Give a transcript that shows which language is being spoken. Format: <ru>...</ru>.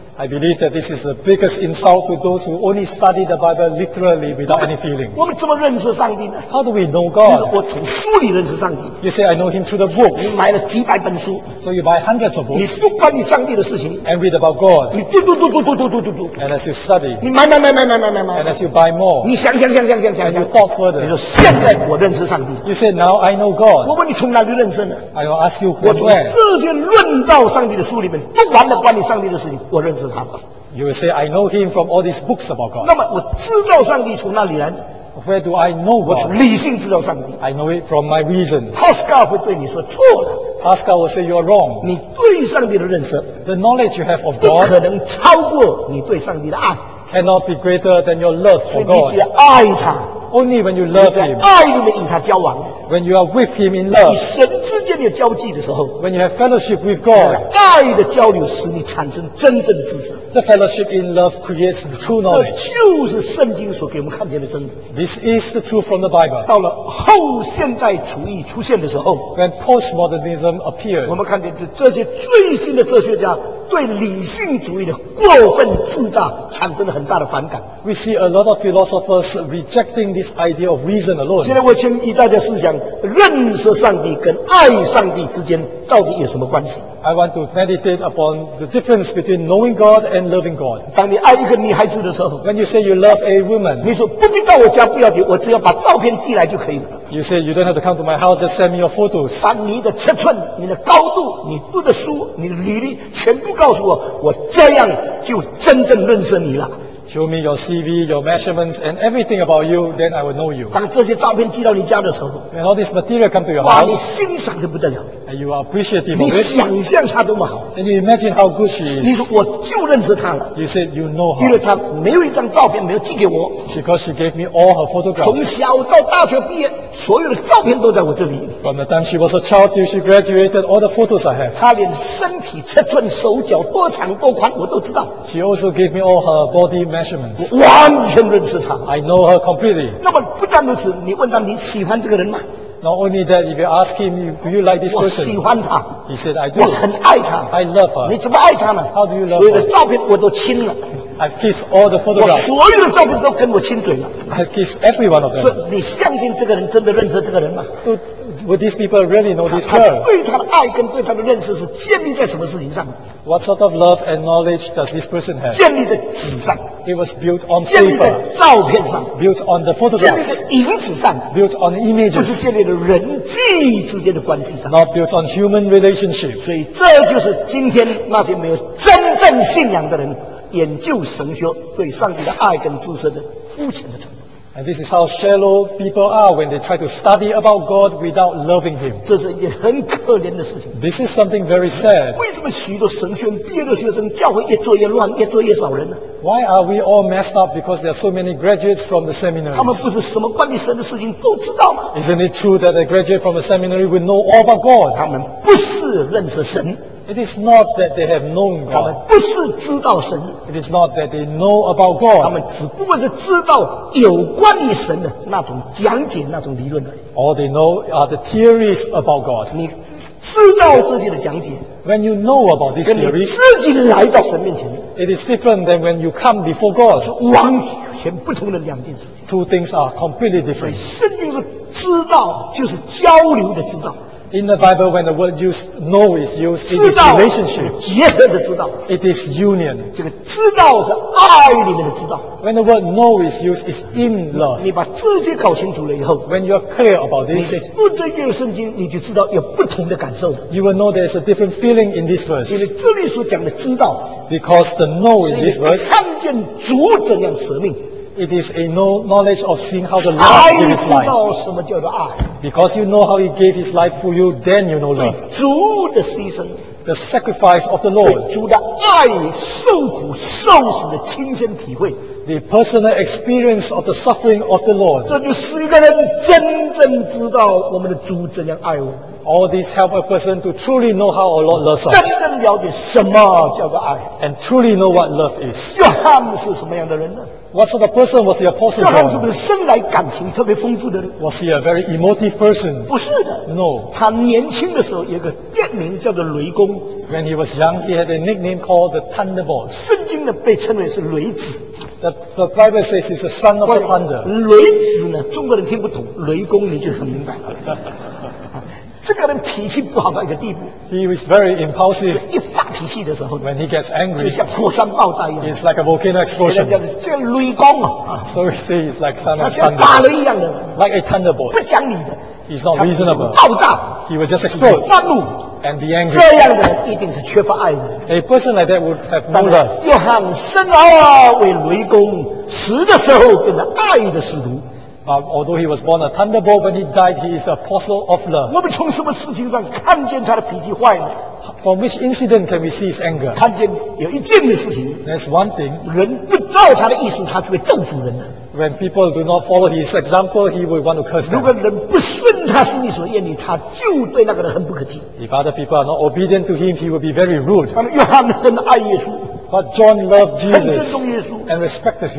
<en>I believe that this is the biggest insult to those who only study the Bible literally without any feelings.</en> <zh>我们怎么认识上帝呢？</zh> <en>How do we know God?</en> <zh>我从书里认识上帝。</zh> <en>You say I know him through the books.</en> <zh>你买了几百本书。</zh> <en>So you buy hundreds of books.</en> <zh>你不管你上帝的事情。</zh> <en>And read about God.</en> <zh>你读读读读读读读读读。</zh> <en>And as you study.</en> <zh>你买买买买买买买买。</zh> <en>And as you buy more.</en> <zh>你想想想想想想。</zh> <en>And you thought further.</en> <zh>你说现在我认识上帝。</zh> <en>You say now I know God.</en> <zh>我问你从哪里认识呢？</zh> <en>I will ask you from where.</en> <zh>我从这些论到上帝的书里面读完了关于上帝的事情，我认识。</zh> <en>You will say, I know him from all these books about God.</en> <zh>那么我知道上帝从哪里来？</zh> <en>Where do I know God?</en> <zh>我从理性知道上帝。</zh> <en>I know it from my reason.</en> <zh>Pascal 会对你说错了。</zh> <en>Pascal will say you are wrong.</en> <zh>你对上帝的认识</zh> <en>，the knowledge you have of God，</en> <zh>不可能超过你对上帝的爱。</zh> <en>Cannot be greater than your love for God.</en> <zh>所以你只要爱他。</zh> <en>Only when you love him.</en> <zh>爱里面与他交往。</zh> <en>When you are with him in love.</en> <zh>与神之间的交际的时候。</zh> <en>When you have fellowship with God.</en> <zh>爱的交流使你产生真正的知识。</zh> <en>The fellowship in love creates true knowledge.</en> <zh>这就是圣经所给我们看见的真理。</zh> <en>This is the truth from the Bible.</en> <zh>到了后现代主义出现的时候。</zh> <en>When postmodernism appeared.</en> <zh>我们看见这些最新的哲学家对理性主义的过分自大产生了很大的反感。</zh> <en>We see a lot of philosophers rejecting this idea of reason alone.</en> <zh>现在我请大家思想，认识上帝跟爱上帝之间到底有什么关系？</zh> <en>I want to meditate upon the difference between knowing God and loving God.</en> <zh>当你爱一个女孩子的时候，</zh> <en>When you say you love a woman,</en> <zh>你说不必到我家不要紧，我只要把照片寄来就可以了。</zh> <en>You say you don't have to come to my house, just send me your photos.</en> <zh>把你的尺寸、你的高度、你读的书、你的履历全部告诉我，我这样就真正认识你了。</zh> <en>Show me your CV, your measurements, and everything about you, then I will know you.</en> <zh>当这些照片寄到你家的时候，</zh> <en>when all this material come to your house,</en> <zh>哇，你欣赏得不得了。</zh> <en>And you are appreciative of it.</en> <zh>你想象她多么好。</zh> <en>And you imagine how good she is.</en> <zh>你说我就认识她了。</zh> <en>You said you know her.</en> <zh>因为她没有一张照片没有寄给我。</zh> <en>Because she gave me all her photographs.</en> <zh>从小到大学毕业，所有的照片都在我这里。</zh> <en>From the time she was a child till she graduated, all the photos I have.</en> <zh>她连身体尺寸、手脚多长多宽我都知道。</zh> <en>She also gave me all her body measurements.</en> <zh>我完全认识她。</zh> <en>I know her completely.</en> <zh>那么不但如此，你问她你喜欢这个人吗？</zh> <en>Not only that, if you ask him, do you like this person?</en> <zh>我喜欢他。</zh> <en>He said, I do.</en> <zh>我很爱他。</zh> <en>I love her.</en> <zh>你怎么爱他呢？</zh> <en>How do you love her?</en> <zh>所有的照片我都亲了。</zh> <en>I've kissed all the photographs.</en> <zh>我所有的照片都跟我亲嘴了。</zh> <en>I've kissed every one of them.</en> <zh>所以你相信这个人真的认识这个人吗？</zh> <en>Would these people really know this girl?</en> <zh>他对他的爱跟对他的认识是建立在什么事情上？</zh> <en>What sort of love and knowledge does this person have?</en> <zh>建立在纸上。</zh> <en>It was built on paper.</en> <zh>建立在照片上。</zh> <en>Built on the photographs.</en> <zh>建立在影子上。</zh> <en>Built on the images.</en> <zh>不是建立在人际之间的关系上。</zh> <en>Not built on human relationship.</en> <zh>所以这就是今天那些没有真正信仰的人研究神学对上帝的爱跟知识的肤浅的程度。</zh> <en>And this is how shallow people are when they try to study about God without loving Him.</en> <zh>这是一件很可怜的事情。</zh> <en>This is something very sad.</en> <zh>为什么许多神学院毕业的学生教会越做越乱，越做越少人呢？</zh> <en>Why are we all messed up because there are so many graduates from the seminaries?</en> <zh>他们不是什么关于神的事情都知道吗？</zh> <en>Isn't it true that a graduate from a seminary will know all about God?</en> <zh>他们不是认识神。</zh> <en>It is not that they have known God.</en> <zh>他们不是知道神。</zh> <en>It is not that they know about God.</en> <zh>他们只不过是知道有关于神的那种讲解、那种理论而已。</zh> <en>All they know are the theories about God.</en> <zh>你知道自己的讲解。</zh> <en>When you know about these theories,</en> <zh>跟你自己来到神面前。</zh> <en>It is different than when you come before God.</en> <zh>是完全不同的两件事。</zh> <en>Two things are completely different.</en> <zh>所以圣经的知道就是交流的知道。</zh> <en>In the Bible, when the word used know is used, it is relationship.</en> <zh>结合的知道。</zh> <en>It is union.</en> <zh>这个知道是爱里面的知道。</zh> <en>When the word know is used, it's in love.</en> <zh>你把这些搞清楚了以后，</zh> <en>when you are clear about this,</en> <zh>你读这一段圣经，你就知道有不同的感受。</zh> <en>You will know there is a different feeling in this verse.</en> <zh>因为这里所讲的知道，</zh> <en>because the know in this verse,</en> <zh>是看见主怎样舍命。</zh> <en>It is a knowledge of seeing how the love gave his life.</en> <zh>知道什么叫做爱。</zh> <en>Because you know how he gave his life for you, then you know love.</en> <zh>对主的牺牲。</zh> <en>The sacrifice of the Lord.</en> <zh>对主的爱，受苦受死的亲身体会。</zh> <en>the personal experience of the suffering of the Lord.</en> <zh>这就使一个人真正知道我们的主怎样爱我。</zh> <en>All these help a person to truly know how our Lord loves us.</en> <zh>真正了解什么叫做爱。</zh> <en>And truly know what love is.</en> <zh>约翰是什么样的人呢？</zh> <en>What sort of person was the apostle John?</en> <zh>约翰是不是生来感情特别丰富的人？</zh> <en>Was he a very emotive person?</en> <zh>不是的。</zh> <en>No.</en> <zh>他年轻的时候有个别名叫做雷公。</zh> <en>When he was young, he had a nickname called the Thunderbolt.</en> <zh>圣经呢被称为是雷子。</zh> <en>The Bible says he's the son of the thunder.</en> <zh>雷子呢，中国人听不懂，雷公你就很明白了。这个人脾气不好到一个地步。</zh> <en>He was very impulsive.</en> <zh>一发脾气的时候</zh> <en>，When he gets angry,</en> <zh>就像火山爆炸一样。</zh> <en>It's like a volcano explosion.</en> <zh>像雷公啊。</zh> <en>So he says it's like son of thunder.</en> <zh>像打雷一样的。</zh> <en>Like a thunderbolt.</en> <zh>不讲理的。</zh> <en>He's not reasonable.</en> <zh>爆炸。</zh> <en>He was just explode.</en> <zh>愤怒。</zh> <en>And be angry.</en> <zh>这样的人一定是缺乏爱的。</zh> <en>A person like that would have no love.</en> <zh>约翰生而为雷公，死的时候变成爱的使徒。</zh> <en>Although he was born a thunderbolt, when he died, he is the apostle of love.</en> <zh>我们从什么事情上看见他的脾气坏呢？</zh> <en>From which incident can we see his anger?</en> <zh>看见有一件的事情。</zh> <en>There's one thing.</en> <zh>人不照他的意思，他就会咒诅人的。</zh> <en>When people do not follow his example, he will want to curse them.</en> <zh>如果人不顺他心里所愿意，他就对那个人很不客气。</zh> <en>If other people are not obedient to him, he will be very rude.</en> <zh>那么约翰很爱耶稣。</zh> <en>But John loved Jesus and respected him.</en>